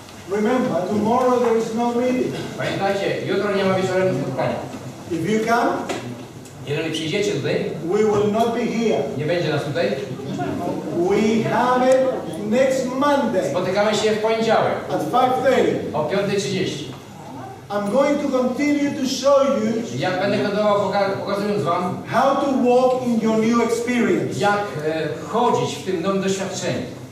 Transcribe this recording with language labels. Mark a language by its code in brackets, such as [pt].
[en] Remember, tomorrow there is no meeting. [pl] Pamiętajcie, jutro nie ma wieczorem spotkania. [en] If you come, [pl] jeżeli przyjdziecie tutaj, [en] we will not be here. [pl] Nie będzie nas tutaj. [en] We have it next Monday. [pl] Spotykamy się w poniedziałek. [en] At 5:30. [pl] O 5:30. [en] I'm going to continue to show you, [pl] ja będę kontynuował pokazując wam, [en] how to walk in your new experience, [pl] jak chodzić w tym nowym doświadczeniu.